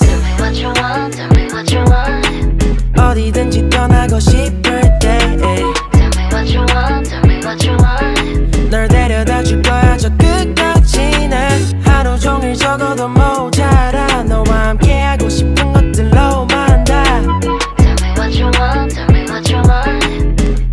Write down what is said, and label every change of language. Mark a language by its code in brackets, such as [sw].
[en] Tell me what you want, tell me what you want [ko] 어디든지 떠나고 싶을 때 [en] Tell me what you want, tell me what you want [ko] 널 데려다 줄 거야 저 끝까지 난 하루 종일 적어도 모자라 너와 함께 하고 싶은 것들로 만다 [en] Tell me what you want, tell me what you want